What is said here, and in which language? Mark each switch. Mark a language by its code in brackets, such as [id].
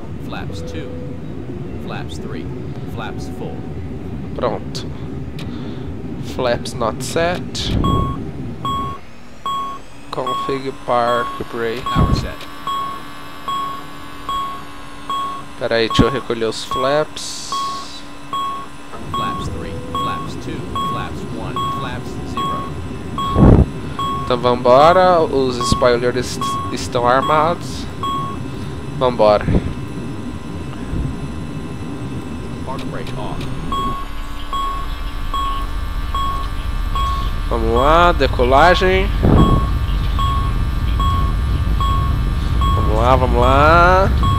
[en] Flaps 2. Flaps 3. Flaps 4. Pronto. Flaps not set. Config park brake. Power set. [pt] Peraí, deixa eu recolher os flaps. [en] Flaps 3, flaps 2, flaps 1, flaps 0. [pt] Então vambora, os spoilers estão armados. Vambora. [en] Park brake off. [pt] Vamos lá, decolagem. Vamos lá, vamos lá.